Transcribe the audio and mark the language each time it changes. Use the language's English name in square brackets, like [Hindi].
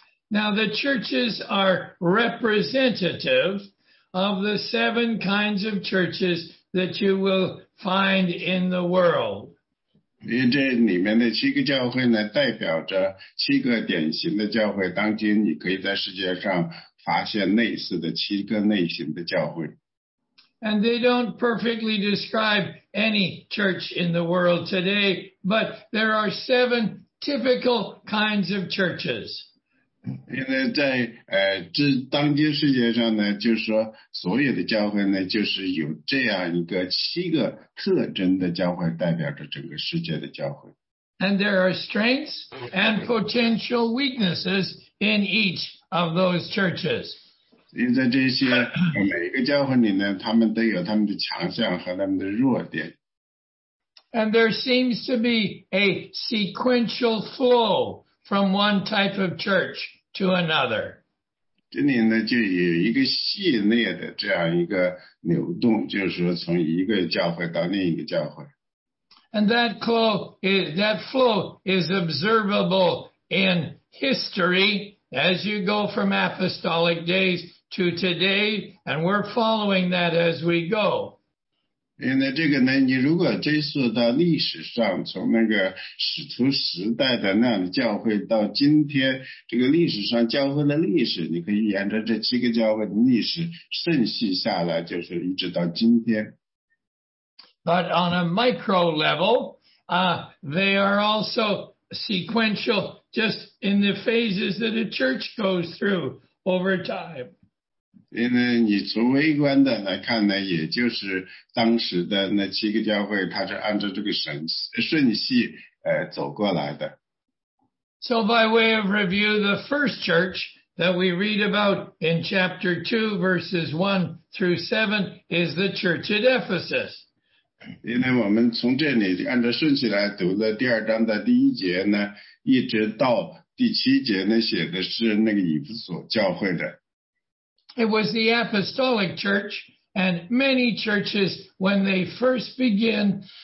[English] Now the churches are representative of the 7 kinds of churches that you will find in the world. [Chinese] 因为这里面的七个教会呢，代表着七个典型的教会，当今你可以在世界上发现类似的七个类型的教会。 [English] And they don't perfectly describe any church in the world today, but there are 7 typical kinds of churches. [Chinese] 因为在当今世界上呢，就是说所有的教会呢，就是有这样一个七个特征的教会，代表着整个世界的教会。 [English] And there are strengths and potential weaknesses in each of those churches. [Chinese] 因为在这些每一个教会里呢，他们都有他们的强项和他们的弱点。 [English] And there seems to be a sequential flow from one type of church to another. [Chinese] 这里呢就有一个系列的这样一个流动，就是说从一个教会到另一个教会。 [English] And that flow is observable in history as you go from apostolic days. To today, and we're following that as we go. [Chinese] 因为这个呢，你如果追溯到历史上，从那个使徒时代的那样的教会到今天，这个历史上教会的历史，你可以沿着这七个教会的历史顺序下来，就是一直到今天。 [English] But on a micro level, they are also sequential, just in the phases that a church goes through over time. [Chinese] 因为你从微观的来看呢，也就是当时的那七个教会，它是按照这个顺序走过来的。 [English] So by way of review, the first church that we read about in chapter 2, verses 1 through 7 is the church at Ephesus. [Chinese] 因为我们从这里按照顺序来读的第二章的第一节呢，一直到第七节呢，写的是那个以弗所教会的。 [English] It was the apostolic church, and many churches, when they first begin,